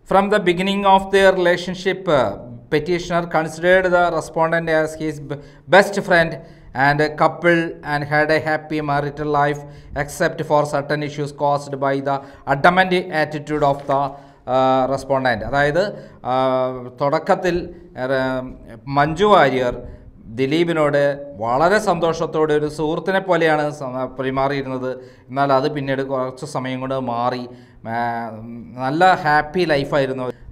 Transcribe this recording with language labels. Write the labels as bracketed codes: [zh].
[en] From the beginning of their relationship petitioner considered the respondent as his best friend and a couple and had a happy marital life except for certain issues caused by the adamant attitude of the respondent. [ml] അതായത് തുടക്കത്തിൽ മഞ്ജു വാര്യർ ദിലീപിനോട് വളരെ സന്തോഷത്തോടെ ഒരു സുഹൃത്തിനെ പോലെയാണ് പെരുമാറിയിരുന്നത്. എന്നാൽ അത് പിന്നീട് കുറച്ച് സമയം കൊണ്ട് മാറി നല്ല ഹാപ്പി ലൈഫായിരുന്നു.